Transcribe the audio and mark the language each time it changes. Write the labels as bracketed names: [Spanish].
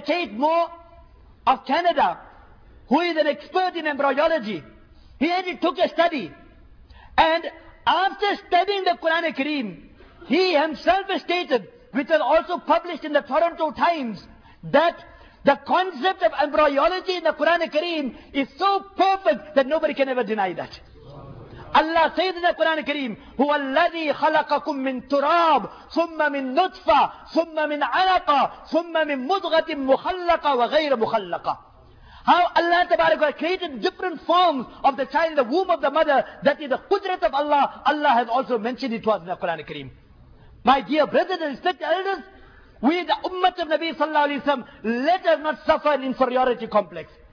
[English] Kate Moore of Canada, who is an expert in embryology, he actually took a study. And after studying the Quran al-Kareem, he himself stated, which was also published in the Toronto Times, that the concept of embryology in the Quran al-Kareem is so perfect that nobody can ever deny that. Allah says in the Quran al-Kareem, [Arabic] هُوَ الَّذِي خَلَقَكُم مِّن تُرَابٍ ثُمَّ مِن نُطْفَةٍ ثُمَّ مِن عَلَقَةٍ ثُمَّ مِن مُضْغَةٍ مُخَلَّقَةٍ وَغَيْرَ مُخَلَّقَةٍ. [English] How Allah Tabarak created different forms of the child, the womb of the mother, that is the qudrat of Allah. Allah has also mentioned it to us in the Quran al-Kareem. My dear brothers and respected elders, we the ummah of Nabi sallallahu alayhi wa sallam, let us not suffer an inferiority complex.